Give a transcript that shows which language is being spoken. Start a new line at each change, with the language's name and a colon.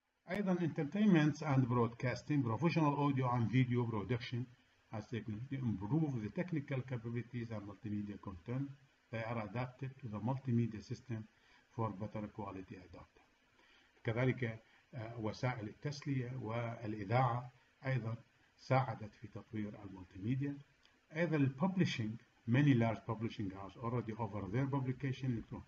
English: ايضا entertainment and broadcasting professional audio and video production has significantly improved the technical capabilities and multimedia content. They are adapted to the multimedia system for better quality adapter.
Arabic: كذلك وسائل التسلية والإذاعة أيضا ساعدت في تطوير الملتيميديا.
English: أيضا publishing, many large publishing houses already offer their publication.